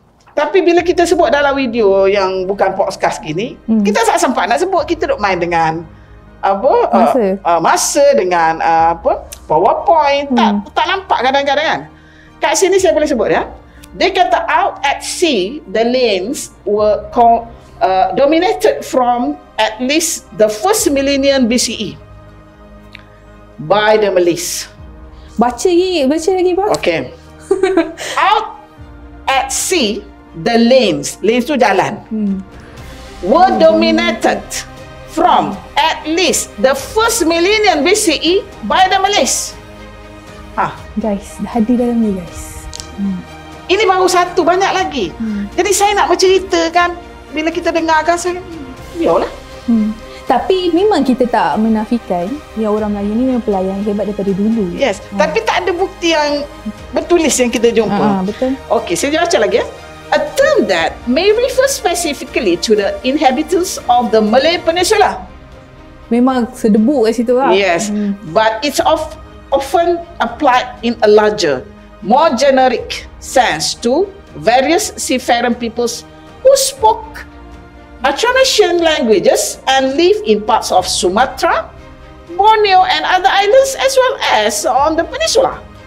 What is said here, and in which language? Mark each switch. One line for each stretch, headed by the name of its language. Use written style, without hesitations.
Malay: Tapi bila kita sebut dalam video yang bukan podcast gini, kita tak sempat nak sebut. Kita duk main dengan apa? Masa. Masa dengan apa? PowerPoint. Tak nampak kadang-kadang kan? Kat sini saya boleh sebut ya. Dia kata,
English: out at sea, the lanes were dominated from at least the first millennium BCE by the Malays.
Malay: Baca lagi, Pak.
English: Okay. Out at sea, the lanes.
Malay: Lanes tu jalan.
English: Were dominated from at least the first millennium BCE by the Malays.
Malay: Guys, dah hadir dalam ni guys. Ini baru satu, banyak lagi. Jadi saya nak menceritakan bila kita dengarkan saya, biarlah. Tapi memang kita tak menafikan yang orang Melayu ni memang pelayan hebat daripada dulu. Yes, tapi tak ada bukti yang bertulis yang kita jumpa. Betul. Okey, saya baca lagi ya.
English: A term that may refer specifically to the inhabitants of the Malay Peninsula.
Malay: Memang sedebuk kat situ lah.
English: Yes, but it's often applied in a larger, more generic sense to various seafaring peoples who spoke Austronesian languages and live in parts of Sumatra, Borneo and other islands as well as on the peninsula.